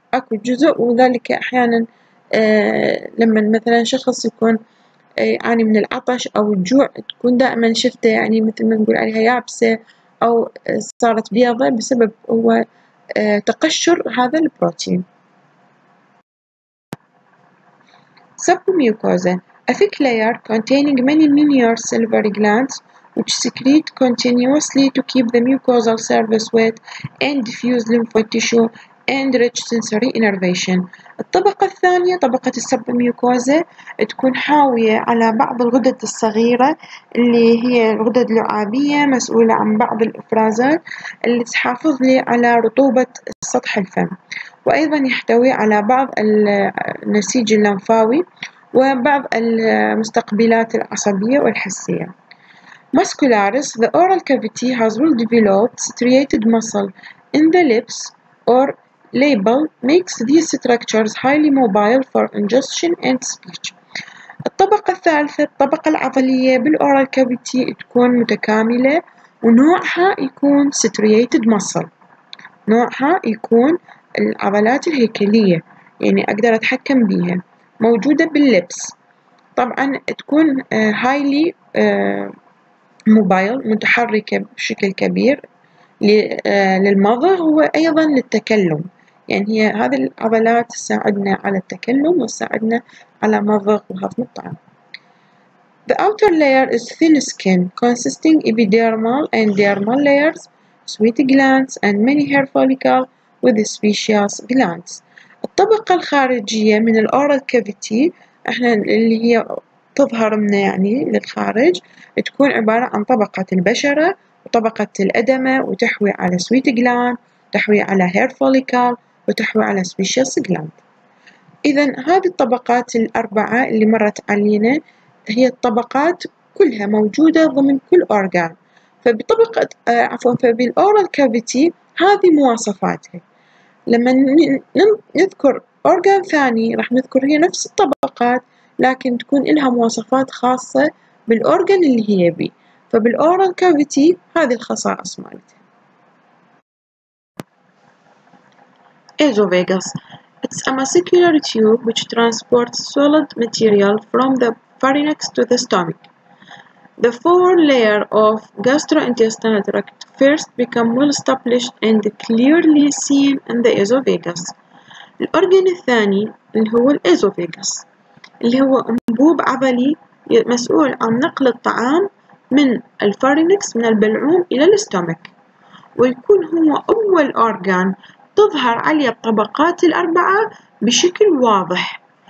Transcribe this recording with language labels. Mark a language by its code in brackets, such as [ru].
[ar] أكو جزء، وذلك أحيانا لما مثلا شخص يكون يعاني من العطش أو الجوع، تكون دائما شفته يعني مثل ما نقول عليها يابسة أو صارت بيضة، بسبب هو تقشر هذا البروتين. [en] Sub mucosa A thick layer containing many mineral salivary glands which secrete continuously to keep the mucosal surface wet and diffuse lymphoid tissue and rich sensory innervation. [ar] الطبقة الثانية طبقة السب ميوكوزا تكون حاوية على بعض الغدد الصغيرة اللي هي الغدد اللعابية مسؤولة عن بعض الإفرازات اللي تحافظ لي على رطوبة سطح الفم، وأيضا يحتوي على بعض النسيج اللمفاوي وبعض المستقبلات العصبية والحسية. [en] Muscularis, the oral cavity has well-developed striated muscle in the lips or label makes these structures highly mobile for ingestion and speech. [ar] الطبقة الثالثة الطبقة العضلية بالoral cavity تكون متكاملة ونوعها يكون striated muscle، نوعها يكون العضلات الهيكلية يعني أقدر أتحكم بيها، موجودة باللبس، طبعا تكون highly موبايل متحركة بشكل كبير للمضغ وأيضا للتكلم، يعني هي هذه العضلات تساعدنا على التكلم وتساعدنا على مضغ وهضم الطعام. [en] The outer layer is thin skin consisting epidermal and dermal layers, sweat glands and many hair follicles with sebaceous glands. [ar] الطبقة الخارجية من الأورال كافيتي احنا اللي هي تظهر منا يعني للخارج تكون عبارة عن طبقة البشرة وطبقة الأدمة وتحوي على سويت جلاند، تحوي على هير فوليكال، وتحوي على سبيشيس جلاند. إذا هذه الطبقات الأربعة اللي مرت علينا هي الطبقات كلها موجودة ضمن كل أورجان، فبطبقة فبالأورال كافيتي هذه مواصفاتها. لما نذكر أورجان ثاني راح نذكر هي نفس الطبقات لكن تكون لها مواصفات خاصة بالأورجان اللي هي بي، فبالأورال كافيتي هذه الخصائص مالتها. [en] Esophagus It's a muscular tube which transports solid material from the pharynx to the stomach. The four layer of gastrointestinal tract first become well established and clearly seen in the esophagus. [ar] الأورجان الثاني اللي هو الإزوفيغاس اللي هو أنبوب عضلي مسؤول عن نقل الطعام من الفارينكس من البلعوم إلى الاستومك، ويكون هو أول أورجان تظهر عليه الطبقات الأربعة بشكل واضح.